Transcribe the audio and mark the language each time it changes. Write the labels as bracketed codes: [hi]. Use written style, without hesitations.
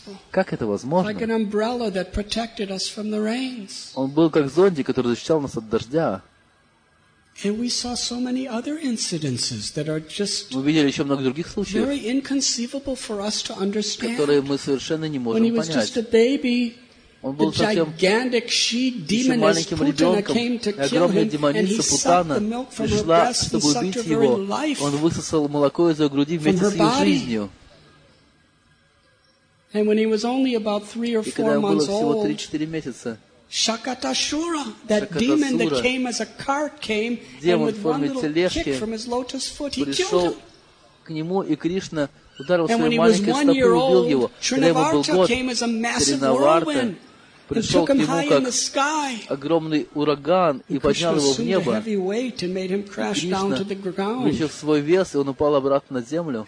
[ru] Как это возможно? Он был как зонтик, который защищал нас от дождя. [en] And we saw so many other incidences that are just very inconceivable for us to understand. [ru] Которые мы совершенно не можем понять. [en] When he was just a baby, [ru] он был совсем еще маленьким ребенком, и огромная демоница Путана пришла, чтобы убить его. Он высосал молоко из ее груди вместе с ее жизнью. И когда ему было всего 3-4 месяца, [en] Шакатасура, that demon that came as a cart, came and with one little kick from his lotus foot, he killed him. [ru] К нему, и Кришна ударил своей маленькой стопой и убил его. Когда ему был год, Тринаварта пришел к нему как огромный ураган и поднял его в небо. И Кришна вручил свой вес, и он упал обратно на землю.